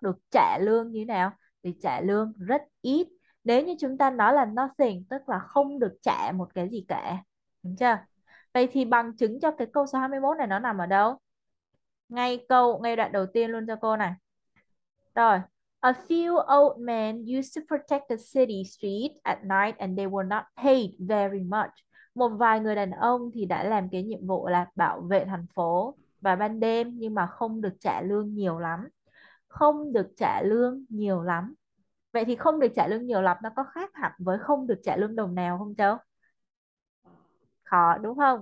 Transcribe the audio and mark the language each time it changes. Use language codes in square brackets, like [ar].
[vi] Được trả lương như thế nào? Thì trả lương rất ít. Nếu như chúng ta nói là nothing, tức là không được trả một cái gì cả. Đúng chưa? Vậy thì bằng chứng cho cái câu số 21 này nó nằm ở đâu? Ngay đoạn đầu tiên luôn cho cô này. Rồi. [en] A few old men used to protect the city street at night and they were not paid very much. [vi] Một vài người đàn ông thì đã làm cái nhiệm vụ là bảo vệ thành phố vào ban đêm nhưng mà không được trả lương nhiều lắm. Không được trả lương nhiều lắm. Vậy thì không được trả lương nhiều lắm nó có khác hẳn với không được trả lương đồng nào không Châu? Khó đúng không?